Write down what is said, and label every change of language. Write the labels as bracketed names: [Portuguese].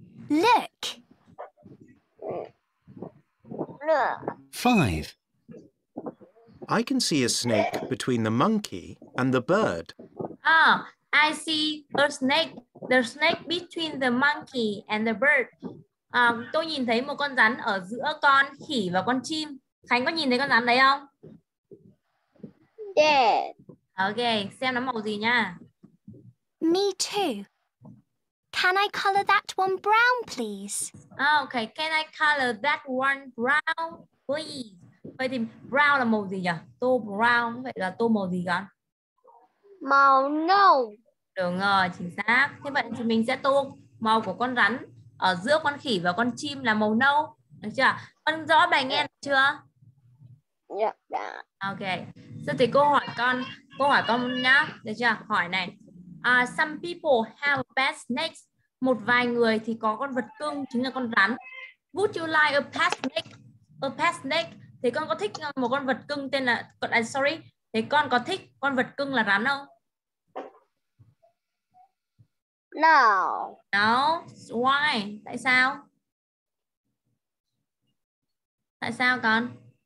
[English] Look. Five. I can see a snake between the monkey and the bird. Ah, I see a snake. The snake between the monkey and the bird. [Vietnamese] Tôi nhìn thấy một con rắn ở giữa con khỉ và con chim. Khánh có nhìn thấy con rắn đấy không? [English] Yeah. [Vietnamese] Okay, xem nó màu gì nha. [English] Me too. Can I color that one brown, please? Okay, can I color that one brown, please? [Vietnamese] Vậy thì brown là màu gì nhỉ? Tô brown, vậy là tô màu gì con? Màu nâu. Đúng rồi, chính xác. Thế vậy thì mình sẽ tô màu của con rắn ở giữa con khỉ và con chim là màu nâu. Được chưa? Con rõ bài nghe chưa? Dạ. Okay, giờ thì cô hỏi con nhá. Được chưa? Hỏi này. [English] Some people have pet snakes. [Vietnamese] Một vài người thì có con vật cưng chính là con rắn. [English] Would you like a pet snake? A pet snake? [Vietnamese] Thì con có thích một con vật cưng tên là sorry. Thì con có thích con vật cưng là rắn không? [English] No. No? Why? [Vietnamese] Tại sao? Tại sao con?